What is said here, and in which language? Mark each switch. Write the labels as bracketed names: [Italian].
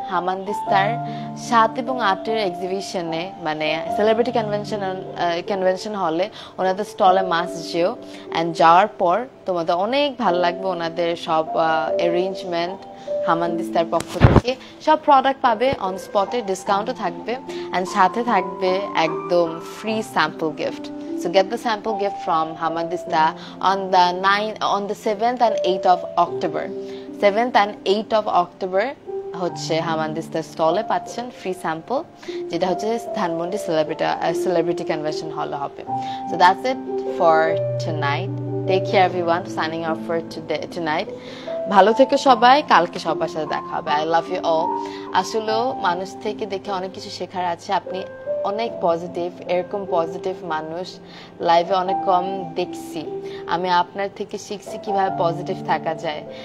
[Bangla] হামান দিস্তার 7 এবং 8-এর এক্সিবিশনে, মানে celebrity convention convention হলে ওনাদের স্টলে মাস যেও, অ্যান্ড যাওয়ার পর তোমাদের অনেক ভালো লাগবে। ওনাদের সব অ্যারেঞ্জমেন্ট হামান দিস্তার পক্ষ থেকে, সব প্রোডাক্ট পাবে অন স্পটে, ডিসকাউন্টও থাকবে, অ্যান্ড সাথে থাকবে একদম free sample gift. [English] So get the sample gift from Hamaan Dista on the 7th and 8th of October. [Bangla] 7th and 8th of October হচ্ছে হামান দিস্তার স্টলে পাচ্ছেন ফ্রি স্যাম্পল যেটা হচ্ছে ধানমন্ডি সেলিব্রিটি কনভেনশন হলে হবে [English] so that's it for tonight take care everyone signing up for tonight [Bangla] ভালো থেকো সবাই কালকে সবার সাথে দেখা হবে [English] I love you all [Bangla] আসলে মানুষ থেকে দেখে অনেক কিছু শেখার আছে আপনি অনেক পজিটিভ এরকম পজিটিভ মানুষ লাইফে অনেক কম দেখছি আমি আপনার থেকে শিখছি কিভাবে পজিটিভ থাকা যায়